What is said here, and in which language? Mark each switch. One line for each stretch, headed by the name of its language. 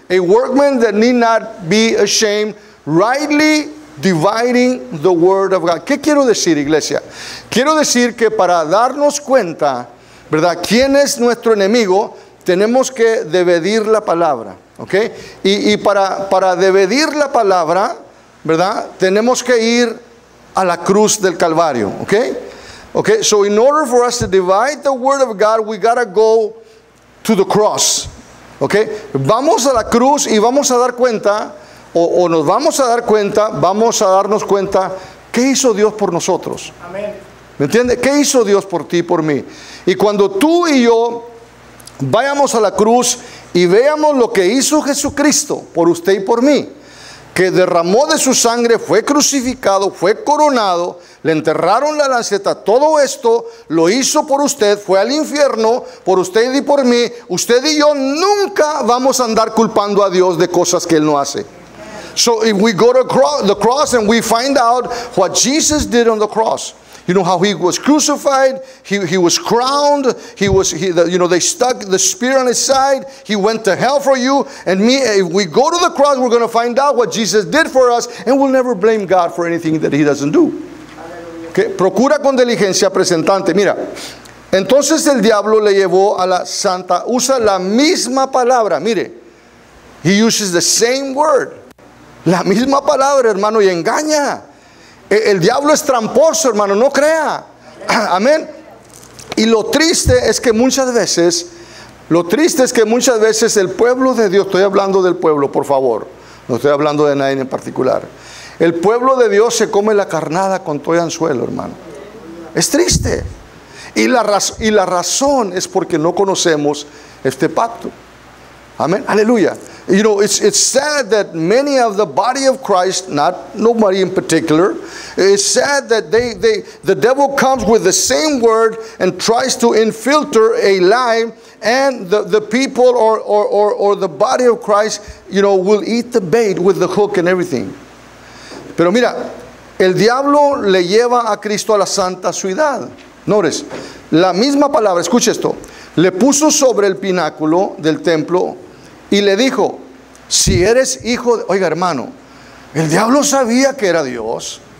English: A workman that need not be ashamed, rightly dividing the word of God.
Spanish: ¿Qué quiero decir, iglesia? Quiero decir que para darnos cuenta, ¿verdad?, quién es nuestro enemigo, tenemos que dividir la palabra. Okay? Y para dividir la palabra, ¿verdad?, tenemos que ir a la cruz del Calvario. Okay? Okay?
English: So in order for us to divide the word of God, we got to go to the cross. Okay?
Spanish: Vamos a la cruz y vamos a dar cuenta, o nos vamos a dar cuenta, vamos a darnos cuenta, ¿qué hizo Dios por nosotros? Amén. ¿Me entiendes? ¿Qué hizo Dios por ti y por mí? Y cuando tú y yo vayamos a la cruz y veamos lo que hizo Jesucristo por usted y por mí, que derramó de su sangre, fue crucificado, fue coronado, le enterraron la lanceta, todo esto lo hizo por usted, fue al infierno por usted y por mí, usted y yo nunca vamos a andar culpando a Dios de cosas que Él no hace.
English: So if we go to the cross and we find out what Jesus did on the cross, you know, how he was crucified, he was crowned, they stuck the spear on his side, he went to hell for you and me. If we go to the cross, we're going to find out what Jesus did for us, and we'll never blame God for anything that he doesn't do.
Spanish: Okay? Procura con diligencia presentante. Mira, entonces el diablo le llevó a la santa, usa la misma palabra, mire,
English: he uses the same word.
Spanish: La misma palabra, hermano, y engaña. El diablo es tramposo, hermano, no crea. Amén. Y lo triste es que muchas veces el pueblo de Dios, estoy hablando del pueblo, por favor, no estoy hablando de nadie en particular. El pueblo de Dios se come la carnada con todo anzuelo, hermano. Es triste. Y la razón es porque no conocemos este pacto. Amén. Aleluya.
English: You know, it's sad that many of the body of Christ, not nobody in particular, it's sad that the devil comes with the same word and tries to infiltrate a lie, and the people or the body of Christ, you know, will eat the bait with the hook and everything.
Spanish: Pero mira, el diablo le lleva a Cristo a la santa ciudad. Notice, la misma palabra, escucha esto, le puso sobre el pináculo del templo. Y le dijo, si eres hijo de... Oiga, hermano, el diablo sabía que era Dios.